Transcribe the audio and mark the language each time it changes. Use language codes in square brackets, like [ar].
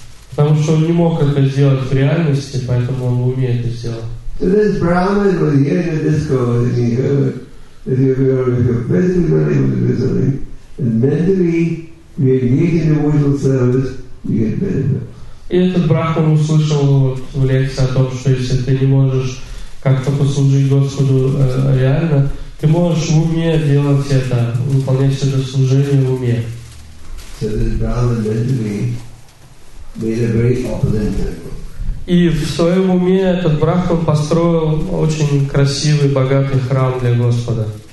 [ru] Потому что он не мог это сделать в реальности, поэтому он в уме это сделал. [en] So this Brahman was here in this course, and he heard that if you're physically not able to do something, and mentally you're engaged in devotional service, you get benefit. [ru] И этот брахман услышал вот в лекции о том, что если ты не можешь как-то послужить Господу реально, ты Ты можешь в уме делать это, выполнять это служение в уме. [en] So this Brahman Benjamin made a very opulent temple. [ru] И в своем уме этот Брахман построил очень красивый, богатый храм для Господа.